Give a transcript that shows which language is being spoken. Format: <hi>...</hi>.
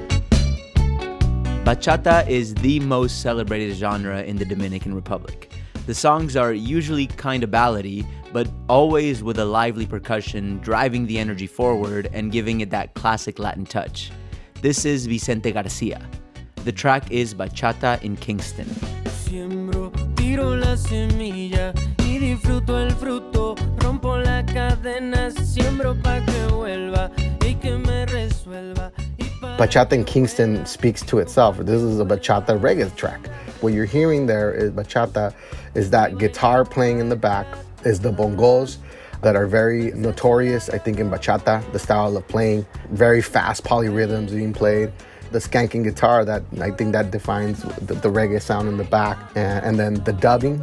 <en>Bachata is the most celebrated genre in the Dominican Republic. The songs are usually kind of ballady, but always with a lively percussion, driving the energy forward and giving it that classic Latin touch. This is Vicente Garcia. The track is Bachata in Kingston.</en> <es>Siembro, tiro la semilla y disfruto el fruto. Rompo la cadena, siembro pa que vuelva y que me resuelva.</es> <en>Bachata in Kingston speaks to itself. This is a bachata reggae track. What you're hearing there is bachata, is that guitar playing in the back, is the bongos that are very notorious, I think, in bachata, the style of playing, very fast polyrhythms being played, the skanking guitar that I think that defines the reggae sound in the back, and then the dubbing.</en>